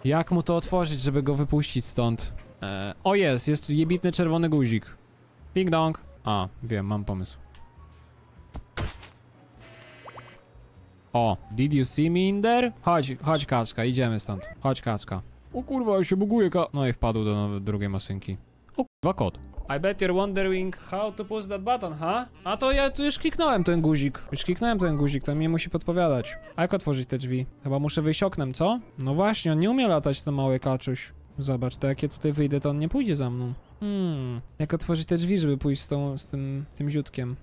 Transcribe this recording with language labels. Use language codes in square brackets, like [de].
[pl] Jak mu to otworzyć, żeby go wypuścić stąd? O jest, jest jebitny czerwony guzik. Ding dong. A, wiem, mam pomysł. O, [en] did you see me in there? [pl] Chodź, chodź kaczka, idziemy stąd. Chodź kaczka. O kurwa, się buguje No i wpadł do drugiej maszynki. O kurwa, kot. [en] I bet you're wondering how to push that button, huh? [pl] A to ja tu już kliknąłem ten guzik. To mnie musi podpowiadać. A jak otworzyć te drzwi? Chyba muszę wyjść oknem, co? No właśnie, on nie umie latać, ten mały kaczuś. Zobacz, to jak ja tutaj wyjdę, to on nie pójdzie za mną. Jak otworzyć te drzwi, żeby pójść z tym ziutkiem?